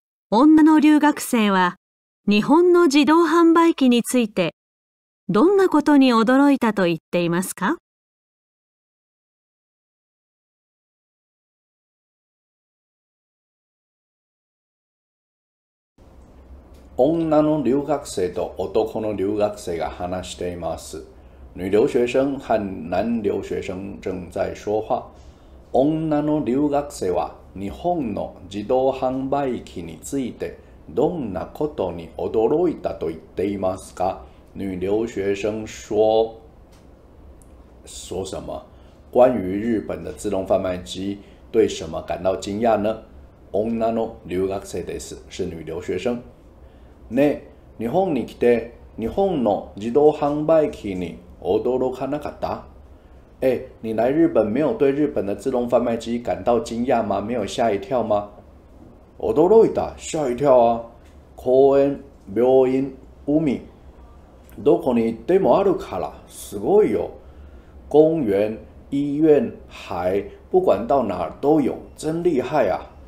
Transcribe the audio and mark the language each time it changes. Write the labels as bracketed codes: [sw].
[ja] 女の留学生は日本の自動販売機についてどんなことに驚いたと言っていますか？女の留学生と男の留学生が話しています。 [zh] 女留学生和男留学生正在说话。 [ja] 女の留学生は日本の自動販売機についてどんなことに驚いたと言っていますか？ [zh] 女留学生说什么？关于日本的自动贩卖机，对什么感到惊讶呢？ [ja] 女の留学生です。 [zh] 是女留学生。 [ja] ね、日本に来て日本の自動販売機に驚かなかった？ [zh] 欸，你来日本没有对日本的自动贩卖机感到惊讶吗？没有吓一跳吗？ [ja] 驚いた、 [zh] 吓一跳啊！ [ja] 公園、病院、海、どこに行ってもあるから、すごいよ。 [zh] 公園、医院、海、不管到哪儿都有，真厉害啊！